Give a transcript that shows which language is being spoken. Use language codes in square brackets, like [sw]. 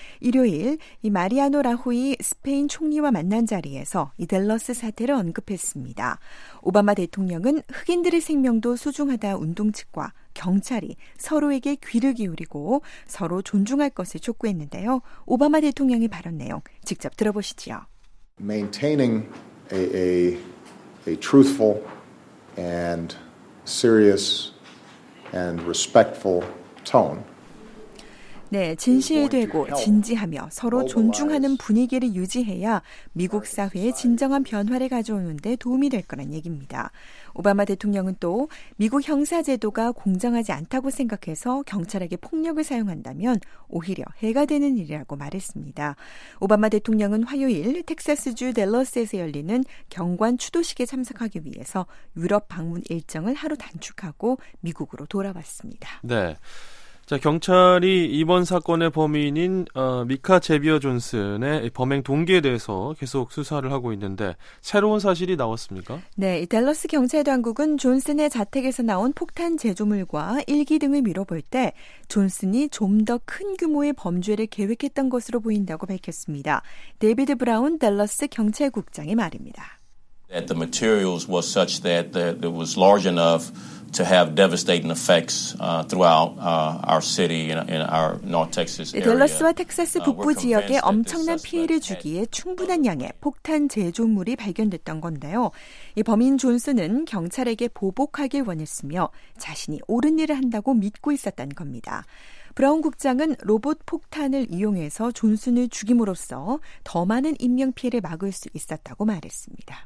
[ko] 일요일 이 마리아노 라후이 스페인 총리와 만난 자리에서 이 댈러스 사태를 언급했습니다. 오바마 대통령은 흑인들의 생명도 소중하다 운동 측과 경찰이 서로에게 귀를 기울이고 서로 존중할 것을 촉구했는데요. 오바마 대통령이 발언 내용 직접 들어보시지요. [en] Maintaining a truthful and serious and respectful tone. [ko] 네, 진실되고 진지하며 서로 존중하는 분위기를 유지해야 미국 사회에 진정한 변화를 가져오는 데 도움이 될 거란 얘기입니다. 오바마 대통령은 또 미국 형사제도가 공정하지 않다고 생각해서 경찰에게 폭력을 사용한다면 오히려 해가 되는 일이라고 말했습니다. 오바마 대통령은 화요일 텍사스주 댈러스에서 열리는 경관 추도식에 참석하기 위해서 유럽 방문 일정을 하루 단축하고 미국으로 돌아왔습니다. 네. 자, 경찰이 이번 사건의 범인인 미카 제비어 존슨의 범행 동기에 대해서 계속 수사를 하고 있는데 새로운 사실이 나왔습니까? 네, 댈러스 경찰 당국은 존슨의 자택에서 나온 폭탄 제조물과 일기 등을 미뤄볼 때 존슨이 좀 더 큰 규모의 범죄를 계획했던 것으로 보인다고 밝혔습니다. 데이비드 브라운 댈러스 경찰국장의 말입니다. [en] That the materials was such that it was large enough to have devastating effects throughout our city in our North Texas area. [ko] 댈러스와 텍사스 북부 지역에 엄청난 피해를 주기에 충분한 양의 폭탄 제조물이 발견됐던 건데요. 이 범인 존슨은 경찰에게 보복하길 원했으며 자신이 옳은 일을 한다고 믿고 있었던 겁니다. 브라운 국장은 로봇 폭탄을 이용해서 존슨을 죽임으로써 더 많은 인명피해를 막을 수 있었다고 말했습니다.